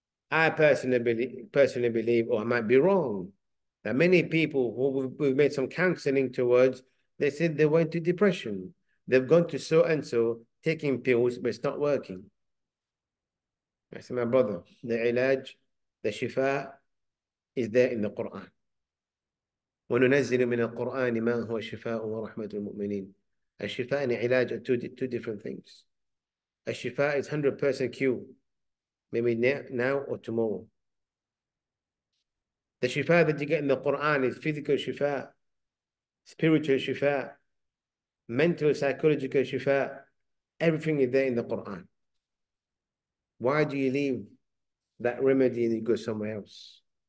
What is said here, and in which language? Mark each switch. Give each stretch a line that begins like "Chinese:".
English: I personally believe, or I might be wrong, that many people who we've made some counseling towards, they said they went to depression. They've gone to so-and-so, taking pills, but it's not working. I said, my brother, the ilaj, the shifa is there in the Quran.
Arabic: وَنُنَزِّلُ مِنَ الْقُرْآنِ مَا هُوَ شِفَاءٌ وَرَحْمَةُ الْمُؤْمِنِينَ الشِفَاء
English: and علاج are two different things. الشفاء is 100% cure, maybe now or tomorrow. The شفاء that you get in the Quran is physical شفاء, spiritual شفاء, mental, psychological شفاء. Everything is there in the Quran. Why do you leave that remedy and you go somewhere else?